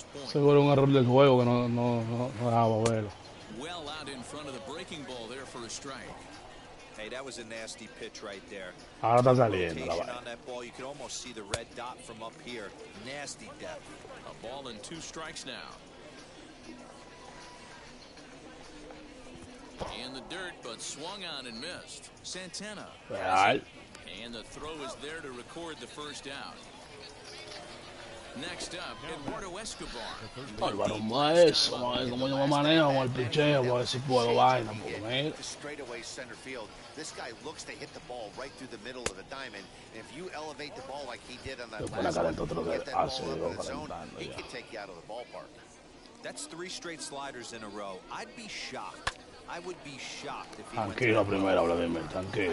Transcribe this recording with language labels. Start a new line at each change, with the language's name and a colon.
Spanish: Seguro un error del juego que no dejaba verlo.
English: Well out in front of the breaking ball there for a strike. Hey, that was a nasty pitch right there.
Spanish: Ahora está saliendo la vaina.
English: On that ball, you could almost see the red dot from up here. Nasty depth. A ball and two strikes now. In the dirt, but swung on and missed. Santana. Right. And the throw is there to record the first down. Next up, Eduardo Escobar.
Spanish: Álvaro, maestro, maestro, como yo me manejo con el picheo, voy a ver si puedo vaina, por ver.
English: Straightaway center field. This guy looks to hit the ball right through the middle of the diamond. If you elevate the ball like he did on that last one, you hit that ball up in the zone, he can take you out of the ballpark. That's three straight sliders in a row. I'd be shocked. I would be shocked if he
Spanish: tranquilo, primero, Vladimir, tranquilo.